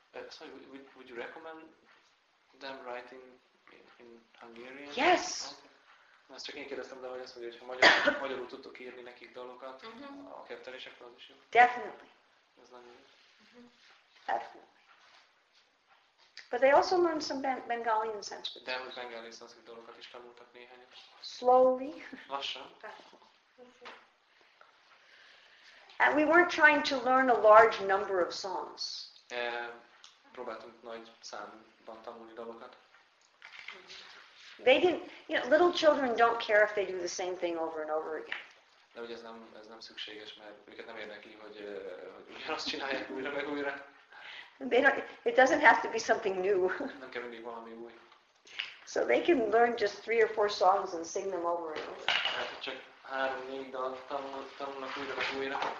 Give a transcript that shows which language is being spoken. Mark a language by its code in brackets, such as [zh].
[en] So would you recommend them writing in Hungarian? Yes. [hu] Na, csak én kérdeztem, de hogy azt mondja, hogy ha magyarul tudtok írni nekik dalokat, a kettelésekről az is jó. [en] Definitely. [hu] Ez nagyon jó. [en] But they also learned some Bengali and Sanskrit. [hu] De hogy Bengali és Sanskrit dolgokat is tanultak néhányat. [en] Slowly. [hu] Lassan. [en] And we weren't trying to learn a large number of songs. [hu] Próbáltunk nagy számban tanulni dalokat. [en] They didn't, you know, little children don't care if they do the same thing over and over again. [hu] De ugye ez nem szükséges, mert őket nem érdekli, hogy ugyanazt csinálják újra meg újra. [en] It doesn't have to be something new. [hu] Nem kell mindig valami új. [en] So they can learn just 3 or 4 songs and sing them over and over. [hu] Hát, csak 3-4 dalt tanulnak újra meg újra.